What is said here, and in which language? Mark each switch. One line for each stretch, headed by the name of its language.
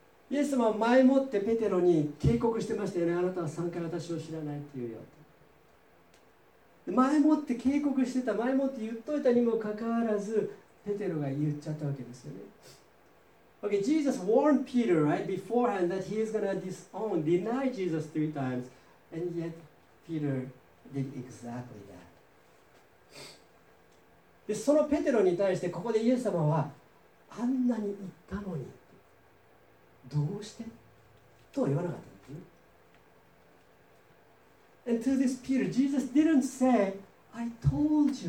Japanese: イエス様は前もってペテロに警告してましたよね。あなたは3回私を知らないって言うよ。前もって警告してた、前もって言っといたにもかかわらず、ペテロが言っちゃったわけですよね。
English: Okay, Jesus warned Peter, right, beforehand that he is going to disown, deny Jesus three times, and yet Peter did exactly that.
Japanese: でそのペテロに対してここでイエス様はあんなに言ったのにどうしてとは言わなかったんですね。
English: And to this Peter, Jesus didn't say, I told you, Peter.